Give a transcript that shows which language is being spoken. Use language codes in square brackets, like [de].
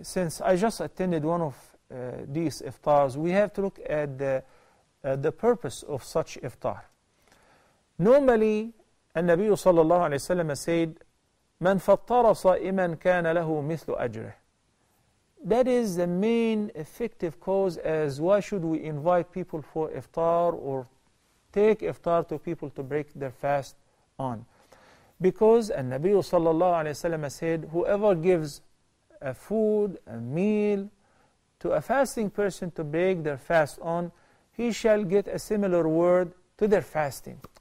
[en] Since I just attended one of these iftars, we have to look at the purpose of such iftar. Normally, [ar] النبي صلى الله عليه وسلم [en] said, [ar] من فطر صائما كان له مثل أجره. [en] That is the main effective cause as why should we invite people for iftar or take iftar to people to break their fast on. Because [ar] النبي صلى الله عليه وسلم [en] said, whoever gives a food, a meal to a fasting person to break their fast on, he shall get a similar reward to their fasting.